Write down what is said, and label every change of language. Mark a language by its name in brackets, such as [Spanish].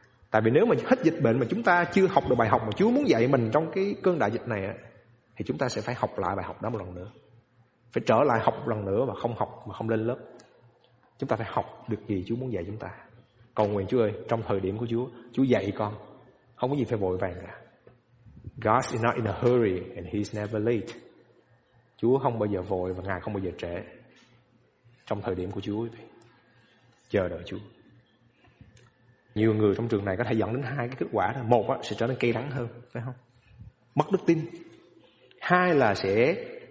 [Vietnamese] Tại vì nếu mà hết dịch bệnh mà chúng ta chưa học được bài học mà Chúa muốn dạy mình trong cái cơn đại dịch này, thì chúng ta sẽ phải học lại bài học đó một lần nữa. Phải trở lại học một lần nữa, mà không học mà không lên lớp. Chúng ta phải học được gì Chúa muốn dạy chúng ta. Cầu nguyện: Chúa ơi, trong thời điểm của Chúa, Chúa dạy con. Không có gì phải vội vàng cả. [English] God is not in a hurry and He's never late. [Vietnamese] Chúa không bao giờ vội và Ngài không bao giờ trễ. Trong thời điểm của Chúa, chờ đợi Chúa. Nhiều người trong trường này có thể dẫn đến hai cái kết quả thôi. Một á, sẽ trở nên cay đắng hơn, phải không? Mất đức tin. Hai là sẽ